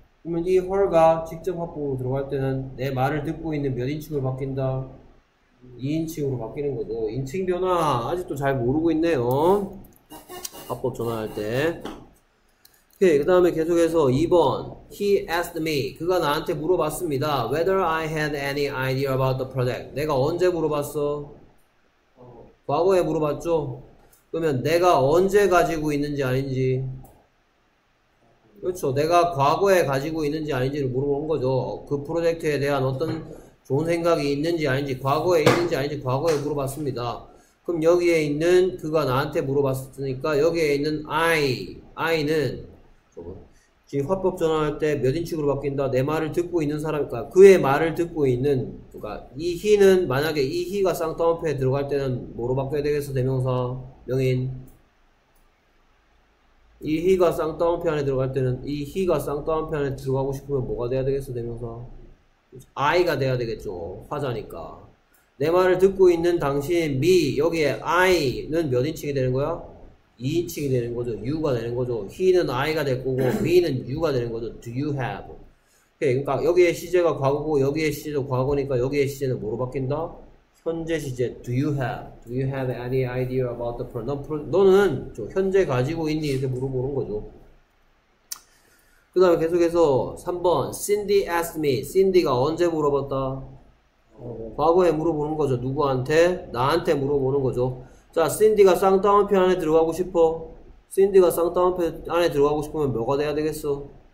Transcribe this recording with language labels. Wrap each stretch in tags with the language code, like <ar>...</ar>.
<ko>그러면 이 her가 직접 화법으로 들어갈 때는 내 말을 듣고 있는 몇 인칭으로 바뀐다? 2인칭으로 바뀌는 거죠. 인칭 변화 아직도 잘 모르고 있네요. 화법 전환할 때. 오케이, 그 다음에 계속해서 2번.</ko> <en>He asked me.</en> <ko>그가 나한테 물어봤습니다.</ko> <en>Whether I had any idea about the project.</en> <ko>내가 언제 물어봤어? 과거에 물어봤죠? 그러면 내가 언제 가지고 있는지 아닌지. 그렇죠. 내가 과거에 가지고 있는지 아닌지를 물어본 거죠. 그 프로젝트에 대한 어떤 좋은 생각이 있는지 아닌지, 과거에 있는지 아닌지 과거에 물어봤습니다. 그럼 여기에 있는 그가 나한테 물어봤으니까 여기에 있는 I는 지금 화법 전환할 때몇 인칭으로 바뀐다? 내 말을 듣고 있는 사람이니까 그의 말을 듣고 있는 누가 이 he는 만약에 이 he가 쌍따옴표에 들어갈 때는 뭐로 바뀌어야 되겠어? 대명사 명인 이 he가 쌍따옴표 안에 들어갈 때는 이 he가 쌍따옴표 안에 들어가고 싶으면 뭐가 돼야 되겠어? 대명사 I가 돼야 되겠죠. 화자니까 내 말을 듣고 있는 당신 me 여기에 I는 몇 인칭이 되는 거야? 2인칭이 되는 거죠. you가 되는 거죠. he는 i가 될 거고 me는 you가 되는 거죠.</ko> <en>do you have?</en> <ko>오케이. 그러니까 여기에 시제가 과거고 여기에 시제도 과거니까 여기에 시제는 뭐로 바뀐다? 현재 시제</ko> <en>do you have? do you have any idea about the problem?</en> <ko>너는 저 현재 가지고 있니? 이렇게 물어보는 거죠. 그 다음에 계속해서 3번</ko> <en>Cindy asked me.</en> <ko>Cindy가 언제 물어봤다? 과거에 물어보는 거죠. 누구한테? 나한테 물어보는 거죠. 자, 신디가 쌍따옴표 안에 들어가고 싶어. 신디가 쌍따옴표 안에 들어가고 싶으면 뭐가 돼야 되겠어?</ko>